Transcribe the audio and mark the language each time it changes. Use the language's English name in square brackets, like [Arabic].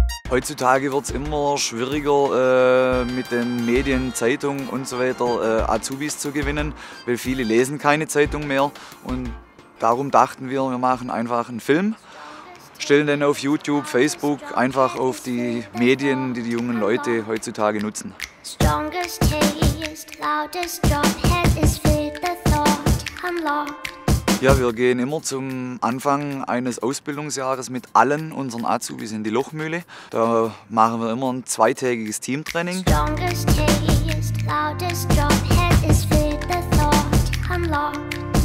[German] Heutzutage wird es immer schwieriger, mit den Medien, Zeitungen und so weiter Azubis zu gewinnen, weil viele lesen keine Zeitung mehr. Und darum dachten wir, wir machen einfach einen Film, stellen den auf YouTube, Facebook, einfach auf die Medien, die die jungen Leute heutzutage nutzen. [English] Strongest taste, loudest drop, head is filled, the thought unlocked. [German] Ja, wir gehen immer zum Anfang eines Ausbildungsjahres mit allen unseren Azubis in die Lochmühle. Da machen wir immer ein zweitägiges Teamtraining. [English] Strongest taste, loudest drop, head is filled, the thought unlocked.